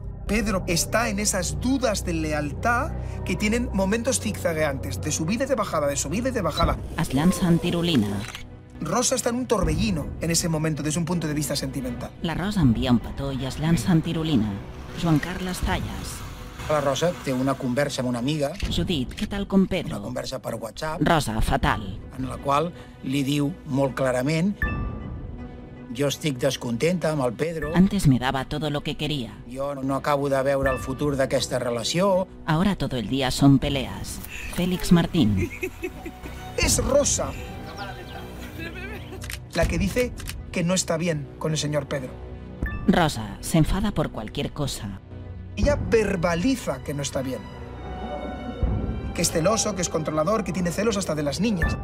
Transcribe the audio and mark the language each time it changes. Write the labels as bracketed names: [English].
[Spanish] Pedro está en esas dudas de lealtad que tienen momentos zigzagueantes, de subida y de bajada, de subida y de bajada. [Catalan] Es llança en tirolina. [Spanish] Rosa está en un torbellino en ese momento desde un punto de vista sentimental. [Catalan] La Rosa envía un petó y es llança en tirolina. Joan Carles Talles. La Rosa té una conversa amb una amiga. Judit, què tal com Pedro? Una conversa per WhatsApp. Rosa, fatal. En la qual li diu molt clarament... Jo estic descontenta amb el Pedro. [Spanish] Antes me daba todo lo que quería. [Catalan] Jo no acabo de veure el futur d'aquesta relació. [Spanish] Ahora todo el día son peleas. Félix Martín. Es Rosa la que dice que no está bien con el señor Pedro. Rosa se enfada por cualquier cosa. Ella verbaliza que no está bien. Que es celoso, que es controlador, que tiene celos hasta de las niñas.